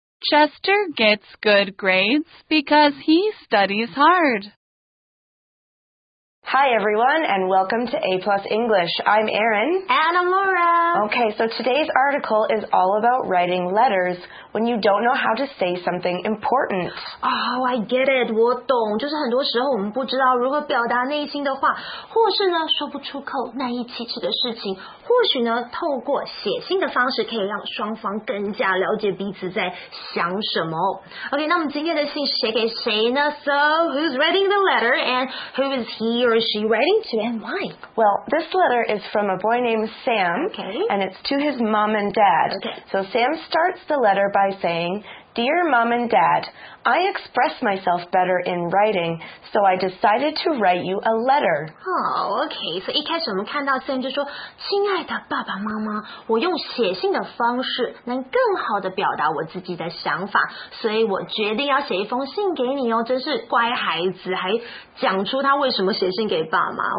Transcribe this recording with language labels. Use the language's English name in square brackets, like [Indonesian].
[English] Chester gets good grades because he studies hard. Hi, everyone, and welcome to A-Plus English. I'm Erin. And I'm Laura. Okay, so today's article is all about writing letters when you don't know how to say something important. Oh, I get it. [Chinese] 我懂。就是很多时候我们不知道如何表达内心的话，或是呢说不出口难以启齿的事情，或许呢透过写信的方式可以让双方更加了解彼此在想什么。 Okay, 那么今天的信写给谁呢？ [English] So, who's writing the letter and who is he? Or is she writing to and why? Well, this letter is from a boy named Sam, okay. And it's to his mom and dad. Okay. So Sam starts the letter by saying, Dear mom and dad, I express myself better in writing, so I decided to write you a letter. Oh, okay. [Chinese] So 一开始我们看到 Sam 就说，亲爱的爸爸妈妈，我用写信的方式能更好地表达我自己的想法，所以我决定要写一封信给你哦。真是乖孩子，还讲出他为什么写信给爸妈。